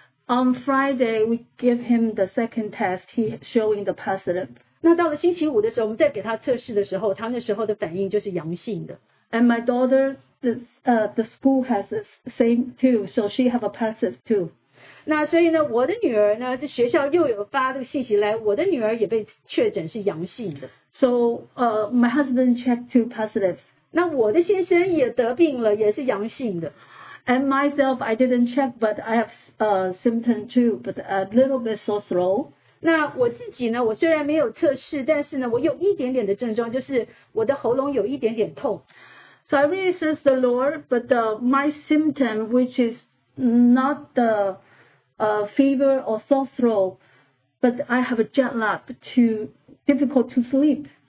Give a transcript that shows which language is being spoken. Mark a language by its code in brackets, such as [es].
[en] On Friday, we give him the second test. He showing the positive. [zh] 那到了星期五的时候, 我们再给他测试的时候, 他那时候的反应就是阳性的。 [en] And my daughter, the school has the same too, so she have a positive too. [zh] 那所以呢, 我的女儿呢, 这学校又有发这个信息来, 我的女儿也被确诊是阳性的。 [en] So my husband checked two positives. [zh] 那我的先生也得病了, 也是阳性的。 [en] And myself, I didn't check, but I have symptoms too, but a little bit so slow. [zh] 那我自己呢, 我虽然没有测试, 但是呢, 我有一点点的症状, 就是我的喉咙有一点点痛。 [en] So I really serve the Lord, but my symptom, which is not the fever or sore throat, but I have a jet lag, too difficult to sleep.